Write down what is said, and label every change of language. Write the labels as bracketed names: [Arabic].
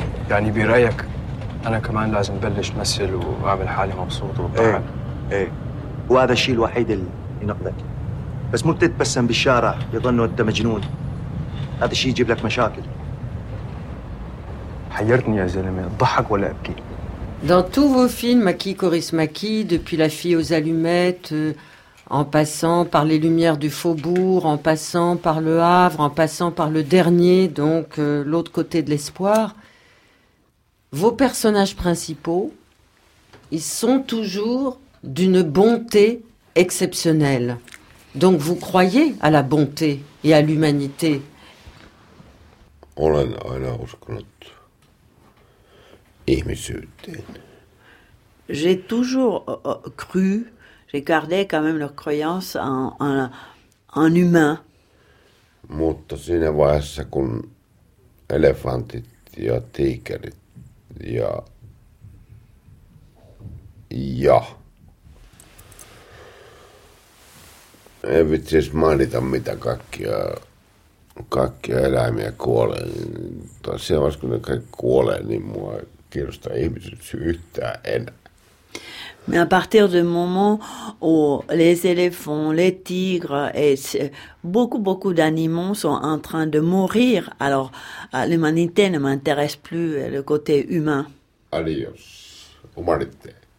[Arabic] يعني برايك انا كمان لازم بلش مثل واعمل حالي مبسوط وطبعا وهذا الشيء الوحيد اللي ينقذك بس مو تتبسم بالشارع يظنوا انت مجنون هذا الشيء يجيب لك مشاكل حيرتني يا زلمه ضحك ولا ابكي [French] Dans tous vos films, Aki Kaurismäki, depuis La fille aux allumettes, en passant par Les lumières du faubourg, en passant par Le Havre, en passant par Le dernier, donc L'autre côté de l'espoir, vos personnages principaux, ils sont toujours d'une bonté exceptionnel. Donc vous croyez à la bonté et à l'humanité. [Finnish] Olen aina uskonut ihmisyyteen. [French] J'ai toujours cru, j'ai gardé quand même leur croyance en humain. [Finnish] Mutta siinä vaiheessa, kun elefantit ja tiikerit ja en vitsi edes mainita, mitä kaikkia eläimiä kuolee, niin tosiaan vaiheessa, kun ne kaikki kuolee, niin mua ei kiinnostaa ihmiset yhtään enää. [French] Mais à partir du moment où les éléphants, les tigres et beaucoup, beaucoup d'animaux sont en train de mourir, alors l'humanité ne m'intéresse plus, le côté humain. Adios, humanité.